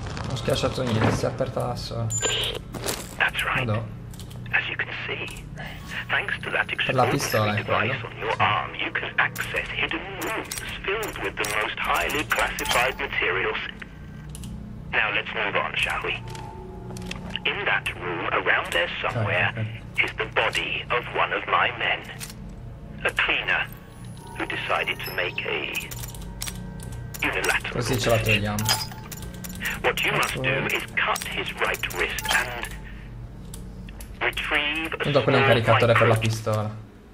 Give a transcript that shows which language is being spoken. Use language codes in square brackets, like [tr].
[it] Ho schiacciato niente, si è aperta da sola. [en] Right. As you can see, thanks to that extraordinary device on your arm, you can access hidden rooms filled with the most highly classified materials. Now let's move on, shall we? In that room, around there somewhere, is the body of one of my men. A cleaner who decided to make a unilateral. [it] Così ce la togliamo. [en] What you must do is cut his right wrist and. [it] Tanto quello è un caricatore per la pistola.